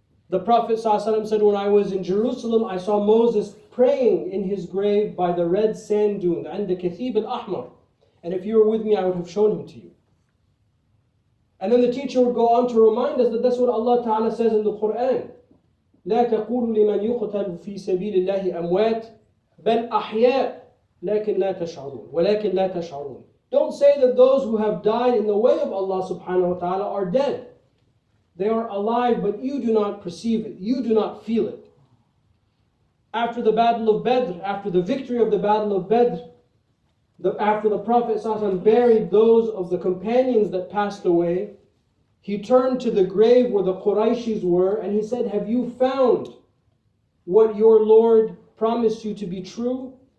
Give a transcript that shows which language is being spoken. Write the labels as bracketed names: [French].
[English] The Prophet ﷺ said, when I was in Jerusalem, I saw Moses praying in his grave by the red sand dune, and the Kathib al-Ahmar. And if you were with me, I would have shown him to you. And then the teacher would go on to remind us that that's what Allah Ta'ala says in the Quran. [Arabic] لا تقول لمن يقتل في سبيل الله أموات بل أحياء لكن لا تشعرون ولكن لا تشعرون. [English] Don't say that those who have died in the way of Allah subhanahu wa ta'ala are dead. They are alive, but you do not perceive it. You do not feel it. After the battle of Badr, after the victory of the battle of Badr, after the Prophet sallallahu alaihi wasallam buried those of the companions that passed away, he turned to the grave where the Qurayshis were and he said, have you found what your Lord promised you to be true?